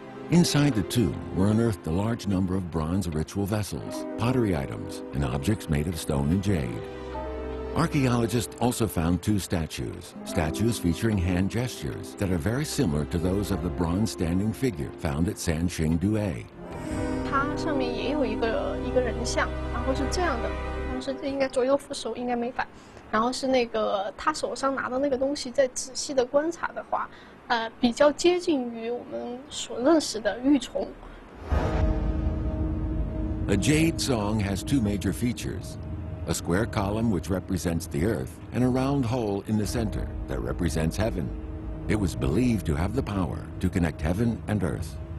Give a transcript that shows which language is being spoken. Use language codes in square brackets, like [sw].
[en] Inside the tomb were unearthed a large number of bronze ritual vessels, pottery items, and objects made of stone and jade. Archaeologists also found two statues, statues featuring hand gestures that are very similar to those of the bronze standing figure found at Sanxingdui. [zh] 它上面也有一个人像，然后是这样的，但是这应该左右扶手应该没摆，然后是那个他手上拿的那个东西，再仔细的观察的话，比较接近于我们所认识的玉琮。A [en] jade song has two major features: a square column which represents the earth, and a round hole in the center that represents heaven. It was believed to have the power to connect heaven and earth.